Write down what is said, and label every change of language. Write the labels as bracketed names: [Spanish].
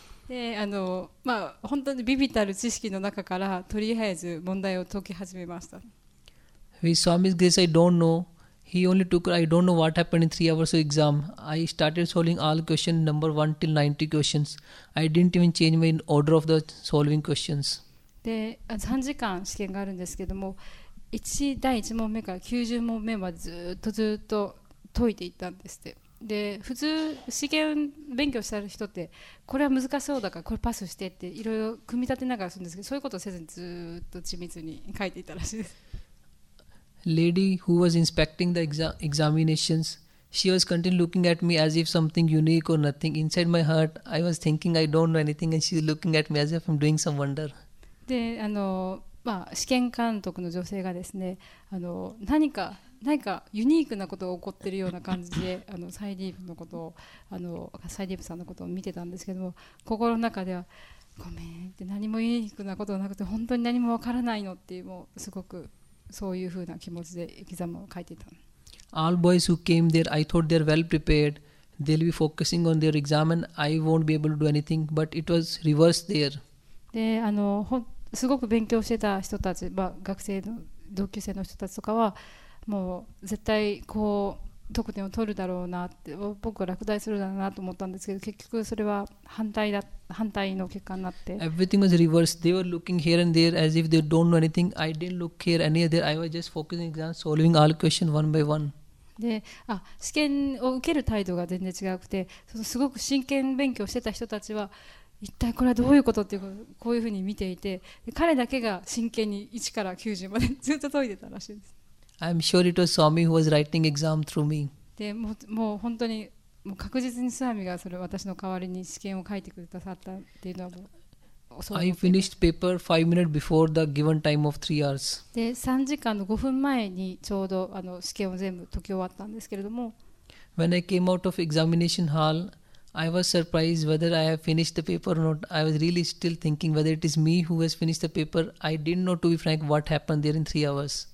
[Japanese] で、あのまあ本当に微々たる知識の中からとりあえず問題を解き始めました。 [English] We saw Miss Grace, I don't knowHe only took, I don't know what happened in 3 hours of exam. I started solving all questions, number 1 till 90 questions. I didn't even change my order of the solving questions. [Japanese] で、3時間試験があるんですけども、第1問目から90問目はずっと解いていったんですって。で、普通試験勉強した人って、これは難しそうだからこれパスしてっていろいろ組み立てながらするんですけど、そういうことをせずにずっと緻密に書いていたらしいです。 [English] Lady who was inspecting the examinations, she was continually looking at me as if something unique or nothing. Inside my heart, I was thinking I don't know anything, and she's looking at me as if I'm doing some wonder. [Japanese] で、あの、まあ、試験監督の女性がですね、あの、何かユニークなことが起こってるような感じで、あのサイディープのことを、あのサイディープさんのことを見てたんですけども、心の中ではごめんって何も言いにくなことなくて本当に何もわからないのっていう、もうすごくそういうふうな気持ちでエキザムを書いていた。 [English] All boys who came there, I thought they're well prepared. They'll be focusing on their exam and I won't be able to do anything. But it was reversed there. [Japanese] で、すごく勉強してた人たち、まあ、学生の同級生の人たちとかはもう絶対こう得点を取るだろうなって、僕は落第するだろうなと思ったんですけど、結局それは反対の結果になって、 [English] Everything was reversed. They were looking here and there as if they don't know anything. I didn't look here any other. I was just focusing on solving all questions one by one. [Japanese] で、試験を受ける態度が全然違くて、そのすごく真剣勉強してた人たちは一体これはどういうことっていうこういうふうに見ていて、彼だけが真剣に1から90までずっと解いてたらしいです。 [English] I'm sure it was Swami who was writing exam through me. [Japanese] で、もう本当にもう確実にスワミがそれ私の代わりに試験を書いてくださったっていうのは、そう。 [English] I finished paper 5 minutes before the given time of 3 hours. [Japanese] で、3時間の5分前にちょうど試験を全部解き終わったんですけれども。 [English] When I came out of examination hall, I was surprised whether I have finished the paper or not. I was really still thinking whether it is me who has finished the paper. I didn't know, to be frank, what happened there in 3 hours.